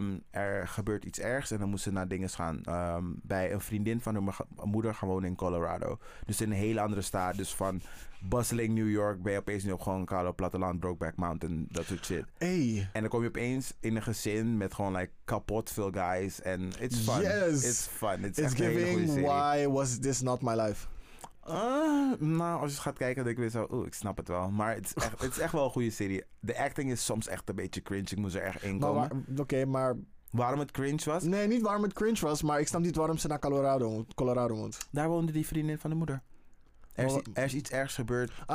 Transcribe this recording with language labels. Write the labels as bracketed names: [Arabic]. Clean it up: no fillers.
[Dutch] Er gebeurt iets ergs en dan moest ze naar dingen gaan. Bij een vriendin van haar moeder gaan wonen in Colorado. Dus in een hele andere staat. Dus van bustling New York ben je opeens nu op gewoon kale platteland, Brokeback Mountain, dat soort shit. Hey. En dan kom je opeens in een gezin met gewoon like kapot veel guys. [English] En it's fun. Yes. It's fun. It's giving why was this not my life? [Dutch] Als je gaat kijken, dan denk ik weer zo, ik snap het wel. Maar het is echt wel een goede serie. De acting is soms echt een beetje cringe. Ik moest er echt in komen. Maar waarom het cringe was? Nee, niet waarom het cringe was, maar ik snap niet waarom ze naar Colorado moet. Daar woonde die vriendin van de moeder. Er is iets ergs gebeurd.